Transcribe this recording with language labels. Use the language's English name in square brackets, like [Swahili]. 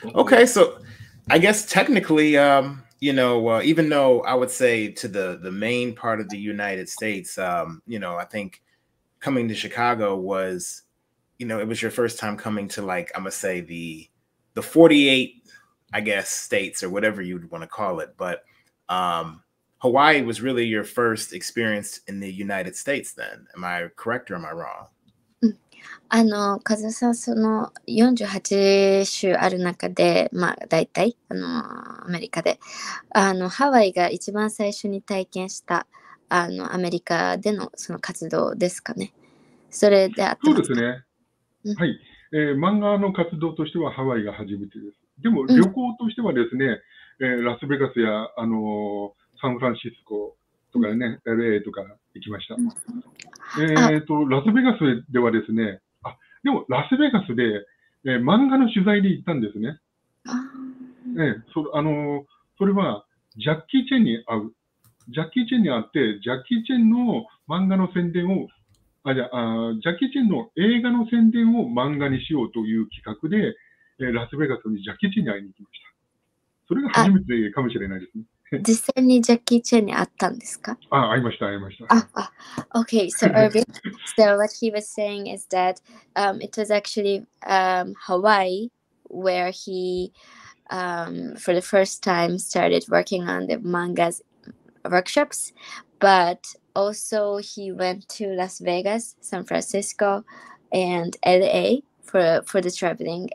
[English] Okay, so I guess technically, you know, even though I would say to the main part of the United States, you know, I think coming to Chicago was, you know, it was your first time coming to like, I'm gonna say the 48, I guess, states or whatever you'd want to call it. But Hawaii was really your first experience in the United States then. Am I correct or am I wrong? [Japanese] あの、カズさん、その48州ある中で、まあ、大体あのアメリカで、あのハワイが一番最初に体験したあのアメリカでのその活動ですかね。それであった。そうですね。はい、漫画の活動としてはハワイが初めてです。でも旅行としてはですね、ラスベガスやあのサンフランシスコとかね、LA とか行きました。ラスベガスではですね、あ、でもラスベガスで、漫画の取材に行ったんですね。それはジャッキーチェンに会う。ジャッキーチェンに会って、ジャッキーチェンの漫画の宣伝を、ジャッキーチェンの映画の宣伝を漫画にしようという企画で、ラスベガスにジャッキーチェンに会いに行きました。それが初めてかもしれないですね。実際にジャッキー・チェンに会ったんですか？あ、会いました、会いました。 [English] Okay, so Irving, so what he was saying is that it was actually Hawaii where he for the first time started working on the manga's workshops, but Also, he went to Las Vegas, San Francisco, and LA for the traveling.